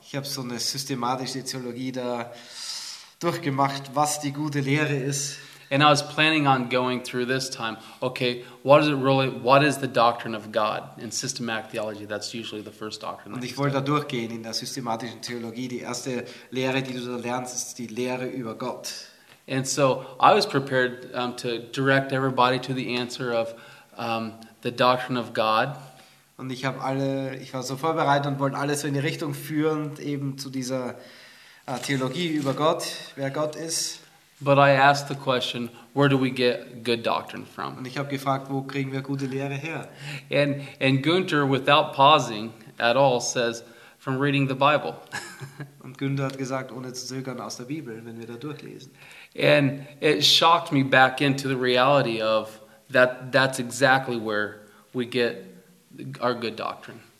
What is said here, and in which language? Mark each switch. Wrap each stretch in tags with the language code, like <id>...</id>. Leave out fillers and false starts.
<de>Ich habe so eine systematische Theologie da durchgemacht, was die gute Lehre ist.</de> <en>And I was planning on going through this time. Okay, what is it really? What is the doctrine of God in systematic theology? That's usually the first doctrine.</en> <de>Und ich wollte da durchgehen in der systematischen Theologie. Die erste Lehre, die du da lernst, ist die Lehre über Gott.</de> <en>And so I was prepared to direct everybody to the answer of the doctrine of God.</en> <de>Und ich habe alle, ich war so vorbereitet und wollte alles so in die Richtung führen, eben zu dieser Theologie über Gott, wer Gott ist.</de> <en>But I asked the question, where do we get good doctrine from?</en> <de>Und ich habe gefragt, wo kriegen wir gute Lehre her?</de> <en>And Günther, without pausing at all, says, from reading the Bible.</en> <de>Und Günther hat gesagt, ohne zu zögern, aus der Bibel, wenn wir da durchlesen.</de> <en>And it shocked me back into the reality of that's exactly where we get our good doctrine.</en>